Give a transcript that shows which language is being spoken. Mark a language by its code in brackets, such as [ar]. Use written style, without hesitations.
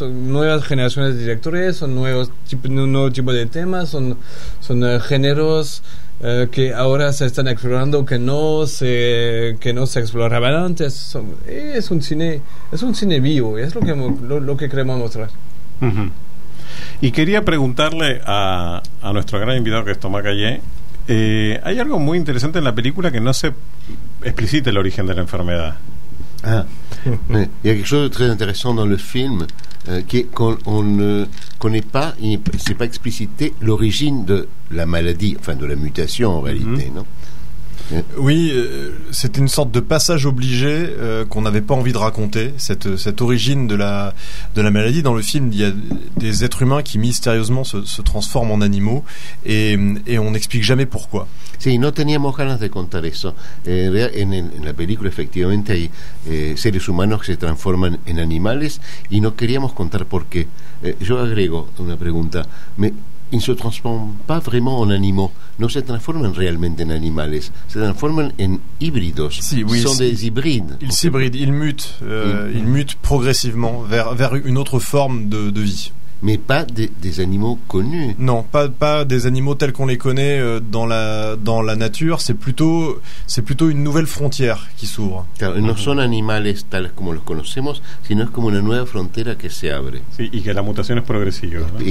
[es] Son nuevas generaciones de directores, son un nuevo tipo de temas, son géneros que ahora se están explorando que no se exploraban antes. Es un cine vivo, es lo que queremos mostrar. Y quería preguntarle a nuestro gran invitado, que es Tomás Calle. Hay algo muy interesante en la película, que no se explicita el origen de la enfermedad. [fr] Ah, il y a quelque chose de très intéressant dans le film qui est qu'on ne connaît pas, c'est pas explicité l'origine de la maladie, enfin de la mutation en réalité, non? Oui, c'était une sorte de passage obligé qu'on n'avait pas envie de raconter, cette origine de la maladie. Dans le film, il y a des êtres humains qui mystérieusement se transforment en animaux et on n'explique jamais pourquoi. [es] Sí, no teníamos ganas de contar eso. En la película, efectivamente, hay seres humanos que se transforman en animales y no queríamos contar por qué. Yo agrego una pregunta. y se transforman [fr] pas vraiment en animaux, [es] no se transforman realmente en animales, se transforman en híbridos. [fr] Sí, oui, son des hybrides. Ils s'hybrident, ils mutent, ils mutent progressivement vers une autre forme de vie. Mais pas des animaux connus. Non, pas des animaux tels qu'on les connaît dans la nature. C'est plutôt une nouvelle frontière qui s'ouvre. [es] Claro, no son animales tales como los conocemos, sino es como una nueva frontera que se abre. Sí, y que la mutación es progresiva.